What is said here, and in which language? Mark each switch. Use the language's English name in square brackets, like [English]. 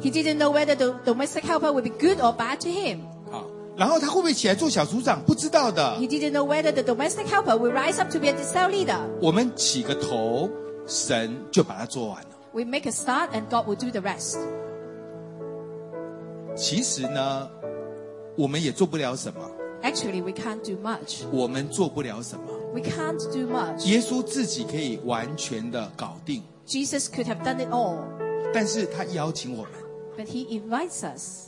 [English] He didn't know whether the domestic helper would be good or bad to him [Chinese] 然后他会不会起来做小组长不知道的 [English] He didn't know whether the domestic helper would rise up to be a cell leader [Chinese] 我们起个头神就把它做完了 [English] We make a start and God will do the rest [Chinese] 其实呢我们也做不了什么 [English] Actually we can't do much [Chinese] 我们做不了什么 [English] We can't do much. [Chinese] 耶稣自己可以完全的搞定。 [English] Jesus could have done it all. [Chinese] 但是他邀请我们。 [English] But he invites us.